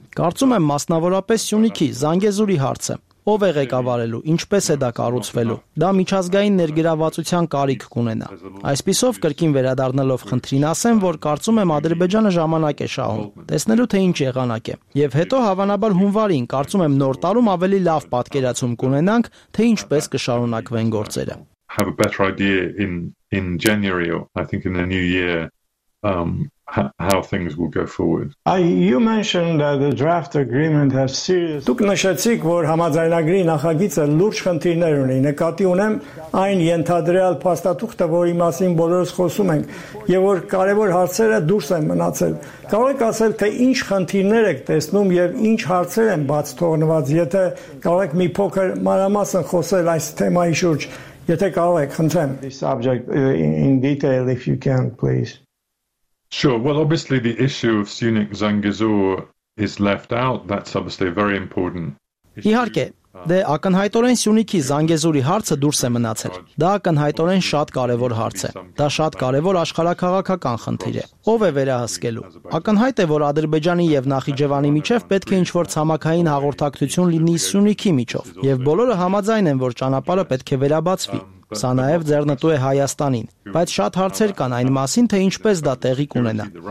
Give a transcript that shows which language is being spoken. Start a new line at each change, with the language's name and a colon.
Armenian: Կարծում եմ մասնավորապես Սյունիքի, Զանգեզուրի հարցը. Ով է ղեկավարելու, ինչպես է դա կառուցվելու։ Դա միջազգային ներգրավվածության կարիք կունենա։ Այսպիսով կրկին վերադառնալով խնդրին ասեմ, որ կարծում եմ Ադրբեջանը ժամանակ է շահում, տեսնելու թե ինչ եղանակ է։ Եվ հետո հավանաբար հունվարին կարծում եմ նոր տարում ավելի լավ պատկերացում կունենանք, թե ինչպես կշարունակվեն գործերը։
English: Have a better idea in January, I think in the new year, how things will go forward. You mentioned that the draft agreement has serious.
Armenian: Դուք նշեցիք, որ համաձայնագրի նախագիծը լուրջ խնդիրներ ունի. Նկատի ունեմ այն ենթադրյալ փաստաթուղթը, որի մասին բոլորս խոսում ենք, եւ որ կարեւոր հարցերը դուրս են մնացել. Կարող եք ասել, թե ինչ խնդիրներ եք տեսնում եւ ինչ հարցեր են բաց թողնված, եթե կարող եք մի փոքր մանրամասն խոսել այս թեմայի շուրջ, եթե կարող եք, խնդրեմ.
English: This subject in detail if you can, please. Sure. Well, obviously, the issue of Sunik Zangezur is left out. That's obviously a very important issue.
Armenian: Իհարկե, դե ակնհայտորեն Սյունիքի Զանգեզուրի հարցը դուրս է մնացել։ Դա ակնհայտորեն շատ կարևոր հարց է։ Դա շատ կարևոր աշխարհաքաղաքական խնդիր է։ Ո՞վ է վերահսկելու։ Ակնհայտ է, որ Ադրբեջանի եւ Նախիջևանի միջև պետք է ինչ-որ ցամաքային հաղորդակցություն լինի Սյունիքի միջով, եւ բոլորը համաձայն են, որ ճանապարհը պետք է վերաբացվի։ Սա նաև ձեռնտու է Հայաստանին, բայց շատ հարցեր կան այն մասին, թե ինչպես դա տեղի կունենա։